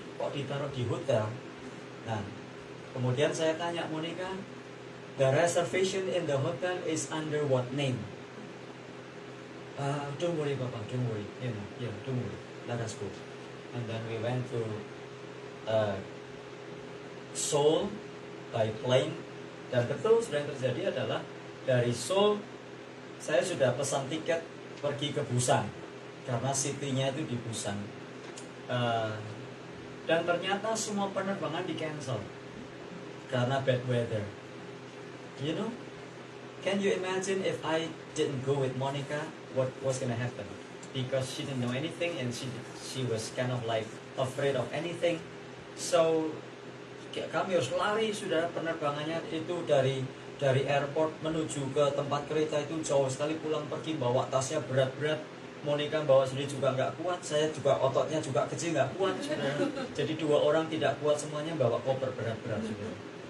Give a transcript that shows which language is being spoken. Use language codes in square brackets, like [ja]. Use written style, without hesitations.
[id] Kok ditaruh di hotel? Nah, kemudian saya tanya Monica, [en] "The reservation in the hotel is under what name?" "Don't worry, Papa, don't worry. You know, yeah, don't worry. Let us go." And then we went to Seoul by plane. [id] Dan betul, sudah terjadi adalah dari Seoul, saya sudah pesan tiket pergi ke Busan. Karena city-nya itu di Busan. Dan ternyata semua penerbangan di cancel karena [en] bad weather. You know, can you imagine if I didn't go with Monica, what was gonna happen? Because she didn't know anything and she was kind of like afraid of anything. [id] So kami harus lari, sudah penerbangannya itu dari airport menuju ke tempat kereta itu jauh sekali, pulang pergi bawa tasnya berat-berat. Monica bawa sendiri juga nggak kuat, saya juga ototnya juga kecil nggak kuat, sebenarnya. Jadi dua orang tidak kuat semuanya bawa koper berat-berat, sebenarnya.